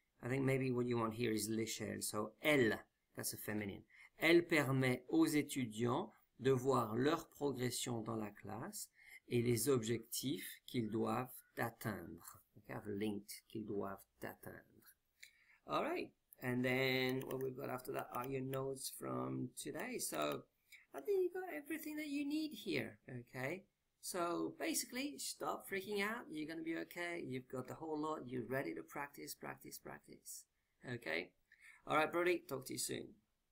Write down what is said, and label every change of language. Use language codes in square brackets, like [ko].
[en] I think maybe what you want here is l'échelle, so elle, that's a feminine. [fr] Elle permet aux étudiants de voir leur progression dans la classe, et les objectifs qu'ils doivent atteindre. [en] Okay, linked, [fr] qu'ils doivent atteindre. [en] All right, and then what we've got after that are your notes from today. So, I think you got everything that you need here, okay? So, basically, stop freaking out. You're going to be okay. You've got the whole lot. You're ready to practice, practice, practice. Okay? All right, Broadie, talk to you soon.